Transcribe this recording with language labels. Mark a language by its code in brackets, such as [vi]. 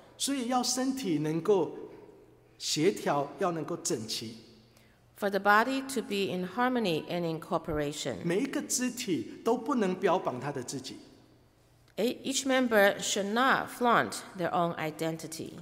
[zh] 所以要身体能够协调，要能够整齐。 [en] For the body to be in harmony and in cooperation. [zh] 每一个肢体都不能标榜他的自己。 [en] Each member should not flaunt their own identity.